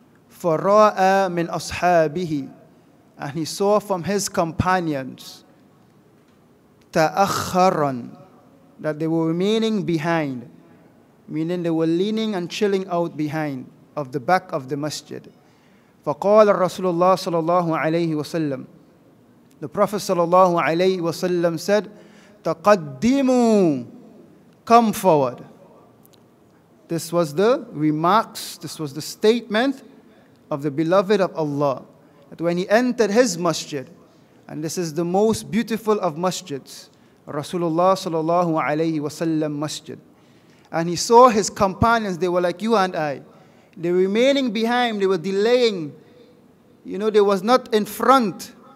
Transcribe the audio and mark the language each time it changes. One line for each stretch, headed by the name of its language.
Arabic: فَرَاءَ مِنْ أَصْحَابِهِ,
English: and he saw from his companions
Arabic: تَأَخَّرًا,
English: that they were remaining behind, meaning they were leaning and chilling out behind of the back of the masjid.
Arabic: فَقَالَ رَسُولُ اللَّهِ صَلَى اللَّهُ عَلَيْهِ وَسَلَّمُ,
English: the Prophet
Arabic: صلى الله عليه وسلم
English: said,
Arabic: تَقَدِّمُوا,
English: come forward. This was the remarks, this was the statement of the beloved of Allah, that when he entered his masjid, and this is the most beautiful of masjids, Rasulullah sallallahu alayhi wa sallam masjid, and he saw his companions, they were like you and I, they were remaining behind, they were delaying, you know, they was not in front.